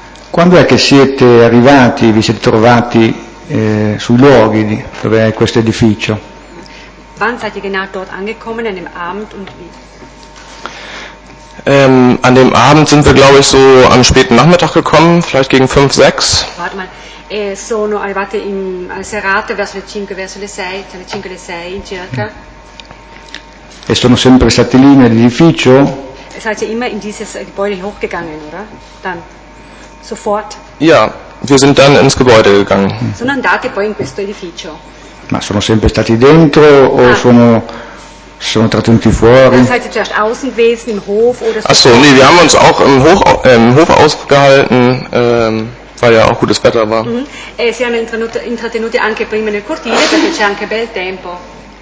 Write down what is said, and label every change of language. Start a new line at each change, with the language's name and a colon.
Italian: Quando è che siete arrivati, vi siete trovati sui luoghi dove è questo edificio?
German: Wann seid ihr genau dort angekommen, an dem Abend und wie? An dem Abend sind wir, glaube ich, so am späten Nachmittag gekommen, vielleicht gegen 5, 6. Warte mal,
Italian: sono arrivate in serata verso le 5, verso le 6, tra le 5 e le 6 in circa. E sono sempre stati lì nell'edificio?
German: Seid ihr immer in dieses Gebäude hochgegangen, oder? Dann, sofort? Ja, wir sind dann ins Gebäude gegangen.
Italian: Sono andate poi in questo edificio. Ma sono sempre stati dentro o sono trattenuti fuori?
German: Seid ihr zuerst außen gewesen, im Hof? Achso, nee, wir haben uns auch im Hof ausgehalten, weil ja auch gutes Wetter war.
Italian: E si hanno intrattenuti anche prima nel cortile, perché c'è anche bel tempo.